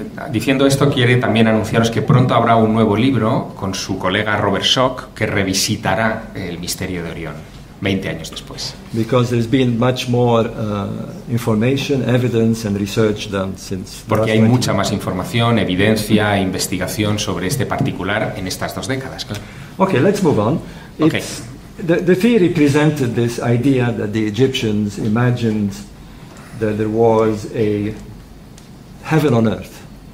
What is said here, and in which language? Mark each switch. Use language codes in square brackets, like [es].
[es] Diciendo esto, quiere también anunciaros que pronto habrá un nuevo libro con su colega Robert Schork que revisitará el misterio de Orión 20 años después. [en] Because there's been much more information, evidence and research done since. [es] Porque hay mucha más información, evidencia e investigación sobre este particular en estas dos décadas, claro. [en] Okay, let's move on. Okay. The theory presented this idea that the Egyptians imagined that there was a heaven on earth.